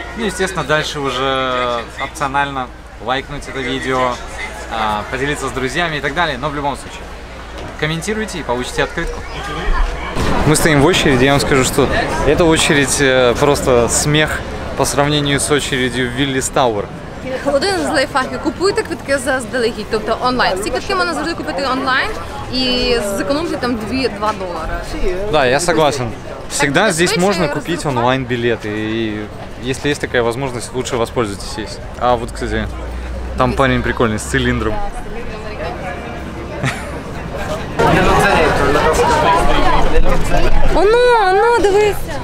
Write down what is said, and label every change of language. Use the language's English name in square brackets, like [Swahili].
[Russian] Ну, естественно, дальше уже опционально лайкнуть это видео, поделиться с друзьями и так далее. Но в любом случае, комментируйте и получите открытку. Мы стоим в очереди, я вам скажу, что эта очередь просто смех по сравнению с очередью в Willis Tower. [Ukrainian] Один з лайфхаків – купуйте квитки заздалегідь, тобто онлайн. Всі квитки можна завжди купити онлайн і зекономити там 2 долари. [Russian] Да, я согласен. Всегда так, здесь можно купить онлайн билеты. И если есть такая возможность, лучше воспользуйтесь ей. А вот, кстати, там парень прикольный с цилиндром. [Ukrainian] Оно, оно, дивись.